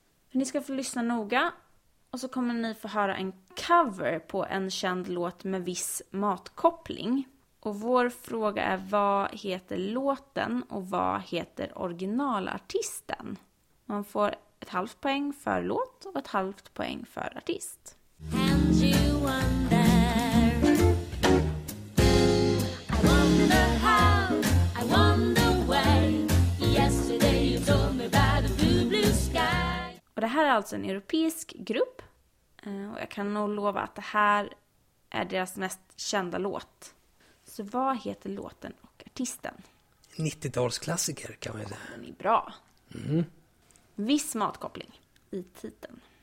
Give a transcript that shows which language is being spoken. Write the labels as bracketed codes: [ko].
[sv] Ni ska få lyssna noga. Och så kommer ni få höra en cover på en känd låt med viss matkoppling. Och vår fråga är, vad heter låten och vad heter originalartisten? Man får 1/2 poäng för låt och 1/2 poäng för artist. [en] And you wonder, I wonder how, I wonder where. Yesterday you told me about the blue, blue sky. [sv] Och det här är alltså en europeisk grupp. Och jag kan nog lova att det här är deras mest kända låt. Så vad heter låten och artisten? 90-talsklassiker kan man säga. Den är bra. Mm. Viss matkoppling i titeln.